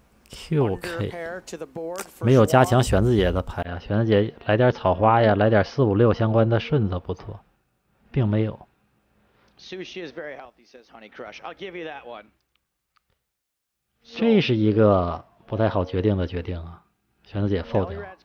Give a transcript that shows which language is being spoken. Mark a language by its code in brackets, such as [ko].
[zh] QK 没有加强玄子姐的牌啊，玄子姐来点草花呀，来点四五六相关的顺子不错，并没有。 [en] Sushi is very healthy, says Honey Crush. I'll give you that one. [zh] 这是一个不太好决定的决定啊，玄子姐 fold 掉。